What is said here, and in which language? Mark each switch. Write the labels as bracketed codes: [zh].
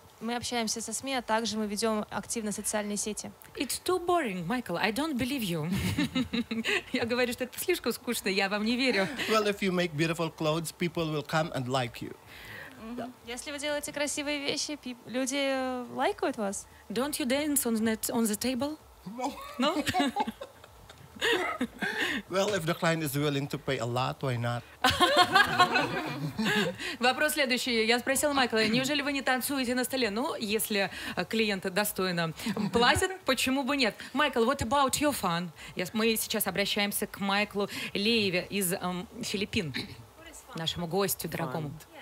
[ru] Мы общаемся со СМИ, а также мы ведем активно социальные сети. [en] It's too boring, Michael. I don't believe you. [ru] Я говорю, что это слишком скучно, я вам не верю. [en] Well, if you make beautiful clothes, people will come and like you. Mm-hmm. [ru] Yeah. Если вы делаете красивые вещи, люди лайкают вас. [en] Don't you dance on the table? No. No? Well, if the client is willing to pay a lot, why not? [ru] Вопрос следующий. Я спросила Майкла, неужели вы не танцуете на столе? Ну, если клиенты достойно платят, почему бы нет? [en] Майкл, what about your fun? [ru] Мы сейчас обращаемся к Майклу Лееве из Филиппин, нашему гостю дорогому.